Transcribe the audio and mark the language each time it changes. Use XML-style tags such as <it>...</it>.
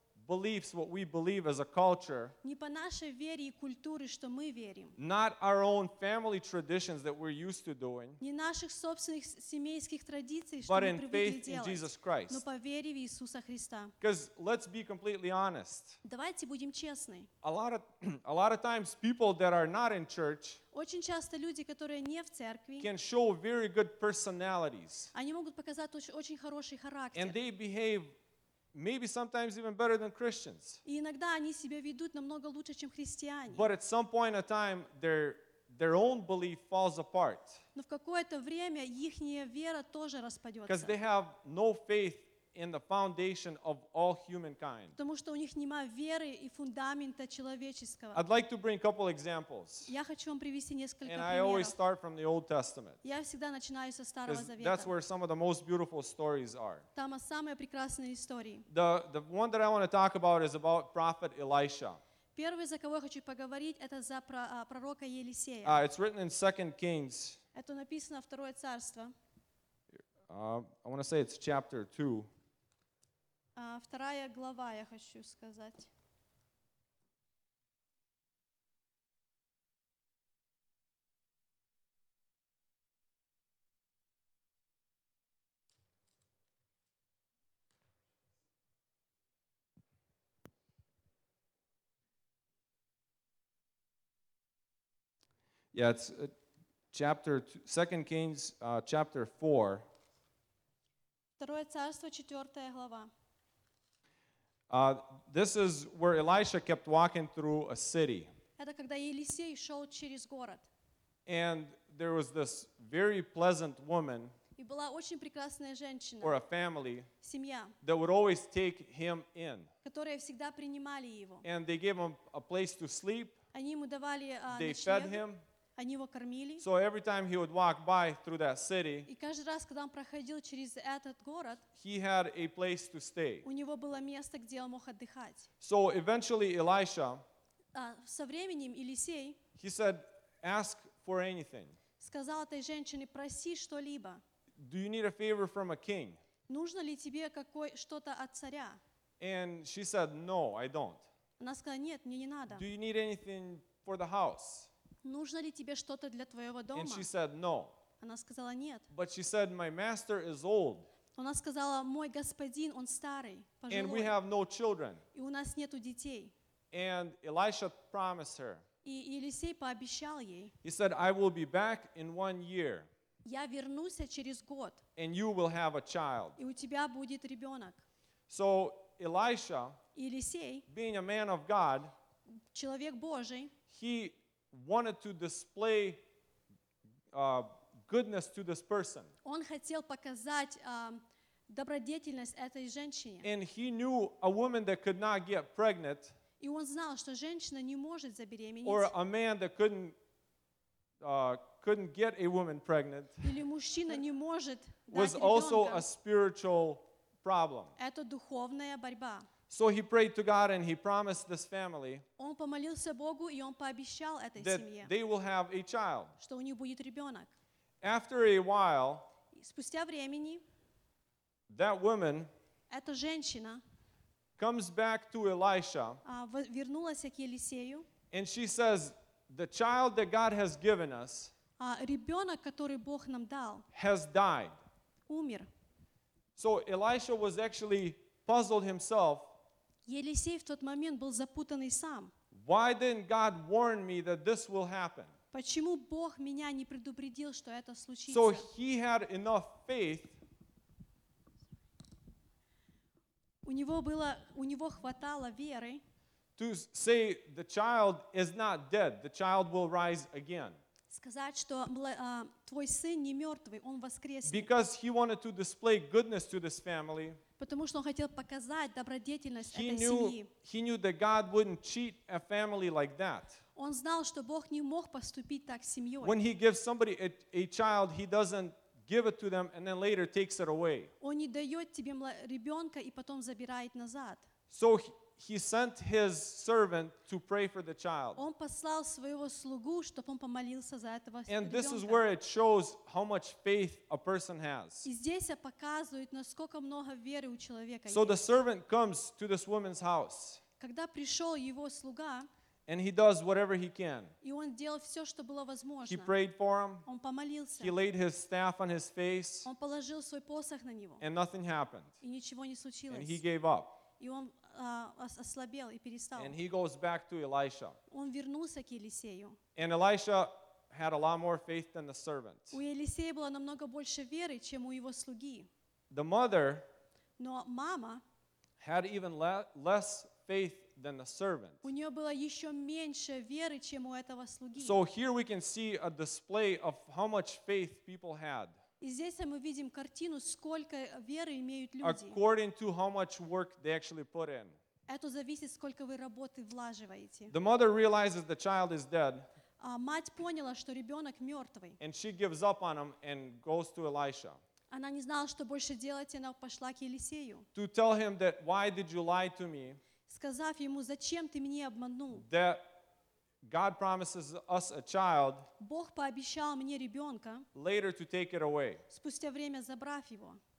<en>beliefs, what we believe as a culture,</en> <ru>не по нашей вере и культуре, что мы верим,</ru> <en>not our own family traditions that we're used to doing,</en> <ru>не наших собственных семейских традиций,</ru> <en>but</en> <ru>что</ru> <en>in</en> <ru>мы привыкли</ru> <en>faith</en> <ru>делать,</ru> <en>in Jesus Christ.</en> <ru>Но по вере в Иисуса Христа.</ru> <en>Because let's be completely honest.</en> <ru>Давайте будем честны.</ru> <en>A lot of times people that are not in church</en> <ru>очень часто люди, которые не в церкви,</ru> <en>can show very good personalities.</en> <ru>Они могут показать очень хороший характер.</ru> <en>And they behave maybe sometimes even better than Christians.</en> <ru>И иногда они себя ведут намного лучше, чем христиане.</ru> <en>But at some point of time, their own belief falls apart.</en> <ru>Но в какое-то время ихняя вера тоже распадется.</ru> <en>Because they have no faith in the foundation of all humankind.</en> <ru>Потому что у них нема веры и фундамента человеческого.</ru> <en>I'd like to bring a couple examples.</en> <ru>Я хочу вам привести несколько примеров.</ru> <en>And I always start from the Old Testament.</en> <ru>Я всегда начинаю со Старого Завета.</ru> <en>Because that's where some of the most beautiful stories are.</en> <ru>Там самые прекрасные истории.</ru> <en>The one that I want to talk about is about Prophet Elisha.</en> <ru>Первый, за кого я хочу поговорить, это за пророка Елисея.</ru> <en>It's written in 2 Kings.</en> <ru>Это написано во Второе Царство.</ru> <en>I want to say it's chapter 2.</en> <ru>Вторая глава, я хочу сказать.</ru> <en>Yeah, it's chapter 2, 2 Kings, chapter 4.</en> <ru>Второе царство, четвертая глава.</ru> <en>This is where Elisha kept walking through a city.</en> <ru>Это когда Елисей шел через город.</ru> <en>And there was this very pleasant woman.</en> <ru>И была очень прекрасная женщина.</ru> <en>Or a family.</en> <ru>Семья.</ru> <en>That would always take him in.</en> <ru>Которые всегда принимали его.</ru> <en>And they gave him a place to sleep.</en> <ru>Они ему давали ночлег.</ru> <en>They fed him.</en> <ru>Они его кормили.</ru> <en>So every time he would walk by through that city,</en> <ru>и каждый раз, когда он проходил через этот город,</ru> <en>he had a place to stay.</en> <ru>У него было место, где он мог отдыхать.</ru> <en>So eventually Elisha,</en> <ru>со временем Елисей,</ru> <en>he said, ask for anything.</en> <ru>Сказал этой женщине, проси что-либо.</ru> <en>Do you need a favor from a king?</en> <ru>Нужно ли тебе какой что-то от царя?</ru> <en>And she said, no, I don't.</en> <ru>Она сказала, нет, мне не надо.</ru> <en>Do you need anything for the house?</en> <ru>Нужно ли тебе что-то для твоего дома?</ru> <en>And she said, no.</en> <ru>Она сказала, нет.</ru> <en>But she said, my master is old.</en> <ru>Она сказала, мой господин, он старый, пожилой.</ru> <en>And we have no children.</en> <ru>И у нас нету детей.</ru> <en>And Elisha promised her.</en> <ru>И Елисей пообещал ей.</ru> <en>He said, I will be back in 1 year.</en> <ru>Я вернусь через год.</ru> <en>And you will have a child.</en> <ru>И у тебя будет ребенок.</ru> <en>So Elisha,</en> <ru>Елисей,</ru> <en>being a man of God,</en> <ru>человек Божий,</ru> <en>he wanted to display goodness to this person.</en> <ru>Он хотел показать добродетельность этой женщине.</ru> <en>And he knew a woman that could not get pregnant.</en> <ru>И он знал, что женщина не может забеременеть.</ru> <en>Or a man that couldn't get a woman pregnant.</en> <ru>Или мужчина не может дать ребенка.</ru> <en>Was also a spiritual problem.</en> <ru>Это духовная борьба.</ru> <en>So he prayed to God and he promised this family</en> <ru>он помолился Богу, и он пообещал этой</ru> <en>that</en> <ru>семье,</ru> <en>they will have a child.</en> <ru>Что у них будет ребенок.</ru> <en>After a while,</en> <ru>спустя времени,</ru> <en>that woman</en> <ru>эта женщина</ru> <en>comes back to Elisha</en> <ru>вернулась к Елисею,</ru> <en>and she says, the child that God has given us</en> <ru>ребенок, который Бог нам дал,</ru> <en>has died.</en> <ru>Умер.</ru> <en>So Elisha was actually puzzled himself.</en> <ru>Елисей в тот момент был запутанный сам.</ru> <en>Why didn't God warn me that this will happen?</en> <ru>Почему Бог меня не предупредил, что это случится?</ru> <en>So he had enough faith.</en> <ru>У него хватало веры.</ru> <en>To say the child is not dead, the child will rise again.</en> <ru>Сказать, что твой сын не мертвый, он воскреснет.</ru> <en>Because he wanted to display goodness to this family.</en> <ru>Потому что он хотел показать добродетельность этой семьи.</ru> <en>He knew that God wouldn't cheat a family like that.</en> <ru>Он знал, что Бог не мог поступить так с семьей.</ru> <en>When he gives somebody a child, he doesn't give it to them and then later takes it away.</en> <ru>Он не дает тебе ребенка и потом забирает назад.</ru> <en>So He sent his servant to pray for the child.</en> <ru>Он послал своего слугу, чтобы он помолился за этого ребенка.</ru> <en>And this is where it shows how much faith a person has.</en> <ru>И здесь это показывает, насколько много веры у человека есть.</ru> <en>So the servant comes to this woman's house.</en> <ru>Когда пришел его слуга.</ru> <en>And he does whatever he can.</en> <ru>И он делал все, что было возможно.</ru> <en>He prayed for him.</en> <ru>Он помолился.</ru> <en>He laid his staff on his face.</en> <ru>Он положил свой посох на него.</ru> <en>And nothing happened.</en> <ru>И ничего не случилось.</ru> <en>And he gave up.</en> <ru>И он ослабел и перестал.</ru> <en>And he goes back to Elisha.</en> <ru>Он вернулся к Елисею.</ru> <en>And Elisha had a lot more faith than the servant.</en> <ru>У Елисея было намного больше веры, чем у его слуги.</ru> <en>The mother,</en> <ru>но мама,</ru> <en>had even less faith than the servant.</en> <ru>У нее было еще меньше веры, чем у этого слуги.</ru> <en>So here we can see a display of how much faith people had.</en> <ru>И здесь мы видим картину, сколько веры имеют люди.</ru> <en>According to how much work they actually put in.</en> <ru>Это зависит, сколько вы работы влаживаете.</ru> <en>The mother realizes the child is dead.</en> <ru>Мать поняла, что ребенок мертвый.</ru> <en>And she gives up on him and goes to Elisha.</en> <ru>Она не знала, что больше делать, и она пошла к Елисею.</ru> <en>To tell him that why did you lie to me?</en> <ru>Сказав ему, зачем ты меня обманул?</ru> <en>That God promises us a child.</en> <ru>Бог пообещал мне ребенка.</ru> <en>Later to take it away.</en> <ru>Спустя время забрав его.</ru>